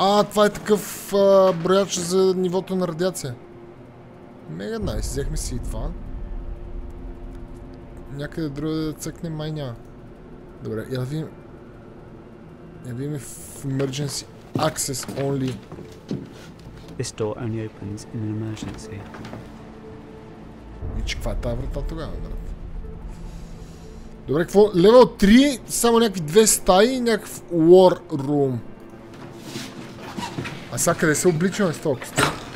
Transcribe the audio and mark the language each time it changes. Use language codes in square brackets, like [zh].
[bg] Това е такъв брояч за нивото на радиация. Мега найс. Взехме си и това. Някъде друго да цъкне май няма. Добре, я да видим. Я да видим в [en] Emergency Access Only. This door only opens in an emergency. [bg] И че каква е тази врата тогава, брат? Добре, какво? Level 3, само някакви две стаи и някакъв war room. А сега къде се обличаме с толкова стаи?